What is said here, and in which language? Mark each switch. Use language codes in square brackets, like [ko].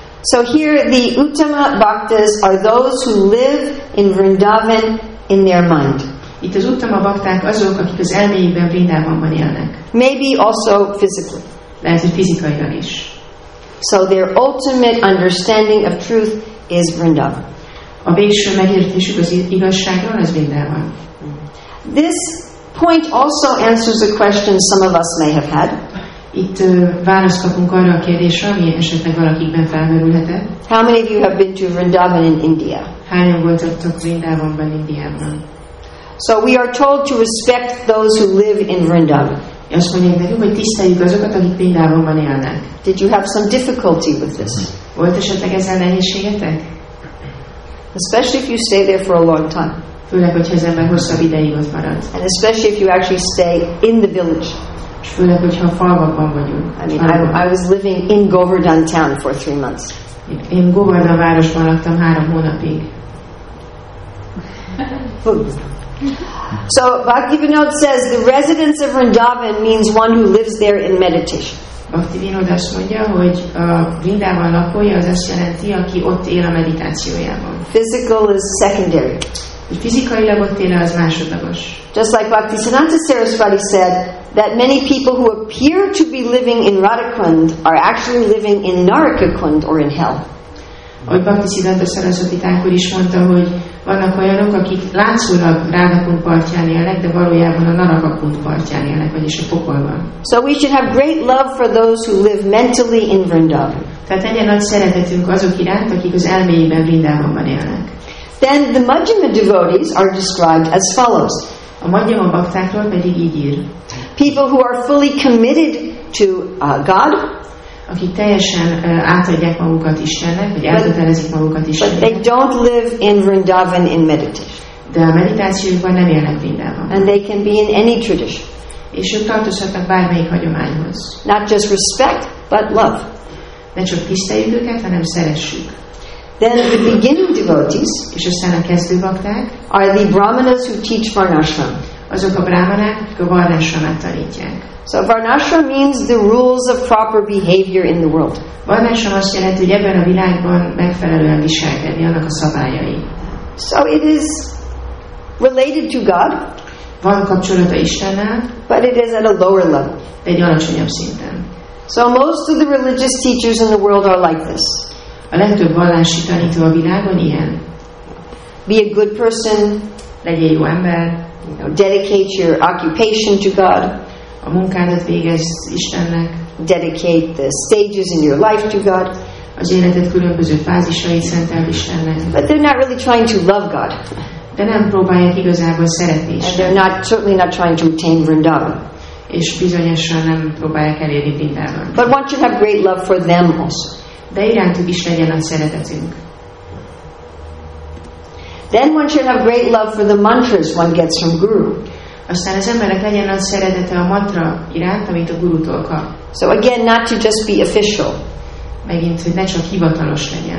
[en] So here the Uttama Bhaktas are those who live in Vrindavan in their mind. [hu] Itt az Uttama Bhakták azok, akik az elméjükben Vrindavanban élnek. [en] Maybe also physically. [hu] Lehet, hogy fizikailag is. [en] So their ultimate understanding of truth is Vrindavan. [hu] A végső megértésük az igazságról az Vrindavan. [en] This point also answers a question some of us may have had. [hu] Itt választ kapunk arra a kérdésre, ami esetleg valakikben felmerülhetett. [en] How many of you have been to Vrindavan in India? [hu] Hányan voltatok Vrindavanban, Indiában? [en] So we are told to respect those who live in Vrindavan. [hu] Azt mondják nekünk, hogy tiszteljük azokat, akik Vrindavanban élnek. [en] Did you have some difficulty with this? [hu] Volt esetleg ezzel nehézségetek? [en] Especially if you stay there for a long time. [hu] Főleg, hogyha az ember hosszabb ideig ott marad. [en] And especially if you actually stay in the village. [hu] És főleg, hogyha a falvakban vagyunk. [en] I mean, I was living in Govardhan town for 3 months. [hu] Én Govardhan városban laktam 3 hónapig. [en] So Bhaktivinoda says the residence of Vrindavan means one who lives there in meditation. [hu] Bhaktivinoda azt mondja, hogy a Vrindavan lakója az azt jelenti, aki ott él a meditációjában. [en] Physical is secondary. [hu] Hogy fizikailag ott él, az másodlagos. [en] Just like Bhaktisiddhanta Saraswati said that many people who appear to be living in Radhakund are actually living in Narakakund or in hell. [hu] Ahogy Bhaktisiddhanta Saraswati tánkor is mondta, hogy vannak olyanok, akik látszólag Radhakund partján élnek, de valójában a Narakakund partján élnek, vagyis a pokolban. [en] So we should have great love for those who live mentally in Vrindavan. [hu] Tehát egyre nagy szeretetünk azok iránt, akik az elméjében Vrindavanban élnek. [en] Then the Madhyama devotees are described as follows. [hu] A Madhyama baktákról pedig így ír. [en] People who are fully committed to God. [hu] Akik teljesen átadják magukat Istennek, vagy elkötelezik magukat Istennek. [en] But they don't live in Vrindavan in meditation. [hu] De a meditációban nem élnek Vrindavan. [en] And they can be in any tradition. [hu] És ők tartozhatnak bármelyik hagyományhoz. [en] Not just respect, but love. [hu] Ne csak tiszteljük őket, hanem szeressük. [en] Then the beginning devotees, [hu] és aztán a kezdő bakták, [en] are the brahmanas who teach varnashram. [hu] Azok a brahmanák, akik a varnashramot tanítják. [en] So varnashram means the rules of proper behavior in the world. [hu] Varnashram azt jelenti, hogy ebben a világban megfelelően viselkedni, annak a szabályai. [en] So it is related to God. [hu] Van kapcsolata Istennel, [en] but it is at a lower level. [hu] De egy alacsonyabb szinten. [en] So most of the religious teachers in the world are like this. [hu] A legtöbb vallási tanító a világon ilyen. [en] Be a good person. [hu] Legyél jó ember. [en] You know, dedicate your occupation to God. [hu] A munkádat végezz Istennek. [en] Dedicate the stages in your life to God. [hu] Az életed különböző fázisait szenteld Istennek. [en] But they're not really trying to love God. [hu] De nem próbálják igazából szeretni Istennek. [en] And they're not, certainly not trying to attain Vrindavan. [hu] És bizonyosan nem próbálják elérni Vrindavan. [en] But one should have great love for them also. [hu] De irántuk is legyen a szeretetünk. [en] Then one should have great love for the mantras one gets from guru. [hu] Aztán az embernek legyen a szeretete a mantra iránt, amit a gurutól kap. [en] So again, not to just be official. [hu] Megint, hogy ne csak hivatalos legyen.